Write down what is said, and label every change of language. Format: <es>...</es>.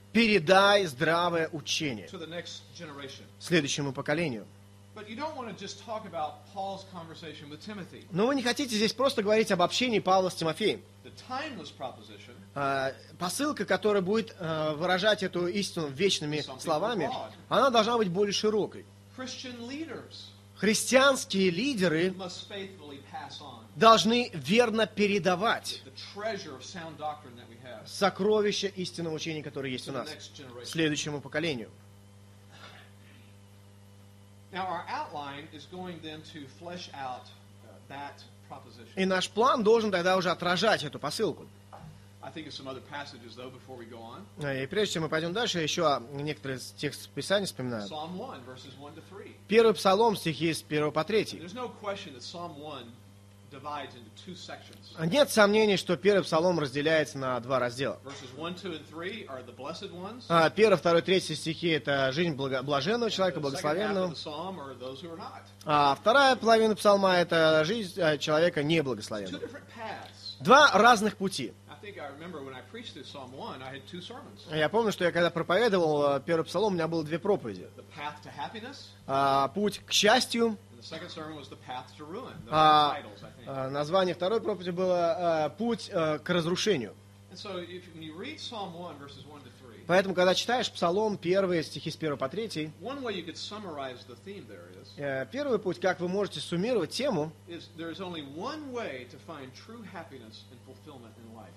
<ru>Передай здравое учение</ru> <en>to the next generation.</en> <ru>Следующему поколению.</ru> <en>But you don't want to just talk about Paul's conversation with Timothy.</en> <ru>Но вы не хотите здесь просто говорить об общении Павла с Тимофеем.</ru> <en>The timeless proposition.</en> <ru>Посылка, которая будет выражать эту истину вечными словами, она должна быть более широкой.</ru> <en>Christian leaders.</en> <ru>Христианские лидеры</ru> <en>must faithfully pass on.</en> <ru>Должны верно передавать</ru> <en>the treasure of sound doctrine that we have.</en> <ru>Сокровище истинного учения, которое есть</ru> <en>to</en> <ru>у нас, следующему поколению.</ru> <en>Now our outline is going then to flesh out that proposition.</en> <ru>И наш план должен тогда уже отражать эту посылку.</ru> <en>I think of some other passages though before we go on.</en> <ru>И прежде чем мы пойдем дальше, я еще некоторые тексты Писания вспоминаю.</ru> <en>Psalm 1, verses 1 to 3.</en> <ru>Первый псалом, стихи с 1 по 3.</ru> <en>There's no question that Psalm 1 divides into two sections.</en> <ru>Нет сомнений, что первый псалом разделяется на два раздела.</ru> <en>Verses 1, 2, and 3 are the blessed ones.</en> <ru>1, 2, 3 стихи – это жизнь блаженного человека, благословенного.</ru> <en>The second half of the psalm are those who are not.</en> <ru>А вторая половина псалма – это жизнь человека неблагословенного.</ru> <en>Two different paths.</en> <ru>Два разных пути.</ru> <en>I think I remember when I preached this Psalm 1, I had two sermons.</en> <ru>Я помню, что я когда проповедовал первый псалом, у меня было две проповеди.</ru> <en>The path to happiness.</en> <ru>Путь к счастью.</ru> <en>The second sermon was the path to ruin. The titles, I think.</en> <ru>Название второй проповеди было «Путь к разрушению».</ru> <en>And so, if you read Psalm 1, verses 1 to 3.</en> <ru>Поэтому, когда читаешь Псалом, первые стихи с 1 по 3.</ru> <en>One way you could summarize the theme there is.</en> <ru>Первый путь, как вы можете суммировать тему.</ru> <en>Is there is only one way to find true happiness and fulfillment in life.</en>